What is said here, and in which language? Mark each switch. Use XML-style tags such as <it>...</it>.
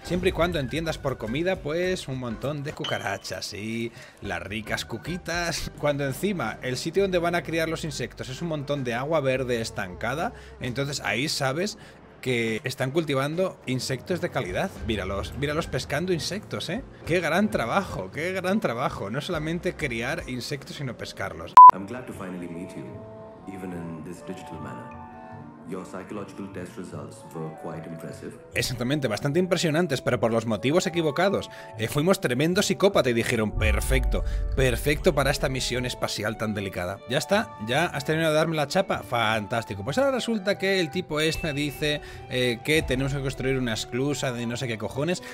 <es>Siempre y cuando entiendas por comida, pues un montón de cucarachas y las ricas cuquitas. Cuando encima el sitio donde van a criar los insectos es un montón de agua verde estancada, entonces ahí sabes que están cultivando insectos de calidad. Míralos, míralos pescando insectos, ¿eh? ¡Qué gran trabajo! ¡Qué gran trabajo! No solamente criar insectos, sino pescarlos.</es> <en>I'm glad to finally meet you, even in this digital manner. Your psychological test results were quite impressive.</en> <es>Exactamente, bastante impresionantes, pero por los motivos equivocados. Fuimos tremendo psicópata y dijeron, perfecto, perfecto para esta misión espacial tan delicada. Ya está, ya has terminado de darme la chapa. Fantástico. Pues ahora resulta que el tipo este dice que tenemos que construir una esclusa de no sé qué cojones.</es>